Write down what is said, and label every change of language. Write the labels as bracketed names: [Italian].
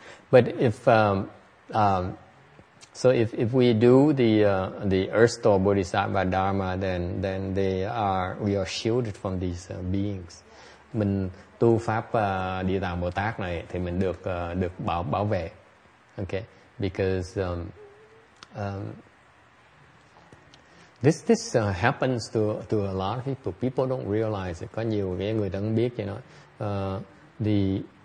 [English] But if we do the earth store Bodhisattva Dharma, then we are shielded from these beings. [Vietnamese] Mình tu pháp Địa Tạng Bồ Tát này thì mình được bảo vệ. [English] Okay, because this happens to a lot of people. People don't realize it. [Vietnamese] Có nhiều cái người đang biết vậy nói.